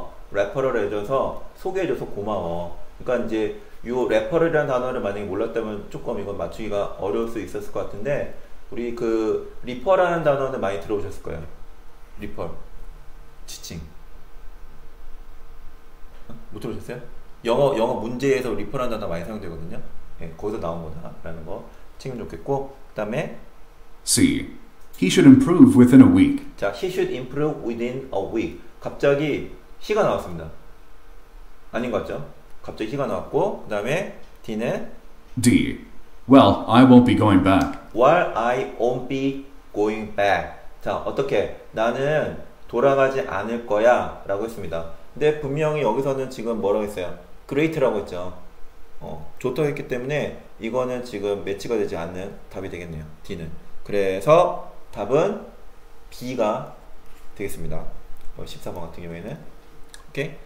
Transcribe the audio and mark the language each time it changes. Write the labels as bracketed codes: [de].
[ko] 레퍼럴 해줘서 소개해줘서 고마워. 그러니까 이제 요 레퍼럴이라는 단어를 만약에 몰랐다면 조금 이건 맞추기가 어려울 수 있었을 것 같은데 우리 리퍼라는 단어는 많이 들어보셨을 거예요. 리퍼. 지칭. 못 들어보셨어요? 영어 문제에서 리퍼라는 단어 많이 사용되거든요. 네, 거기서 나온 거다라는 거 챙기면 좋겠고 그다음에 [en] C. He should improve within a week. 자, he should improve within a week. [ko] 갑자기 희가 나왔습니다. 아닌 것 같죠? 갑자기 희가 나왔고, 그 다음에 D는 D. [en] Well, I won't be going back. While I won't be going back. [ko] 자, 어떻게? 나는 돌아가지 않을 거야 라고 했습니다. 근데 분명히 여기서는 지금 뭐라고 했어요? Great라고 했죠. 좋다고 했기 때문에 이거는 지금 매치가 되지 않는 답이 되겠네요. D는. 그래서 답은 B가 되겠습니다. 14번 같은 경우에는. 오케이?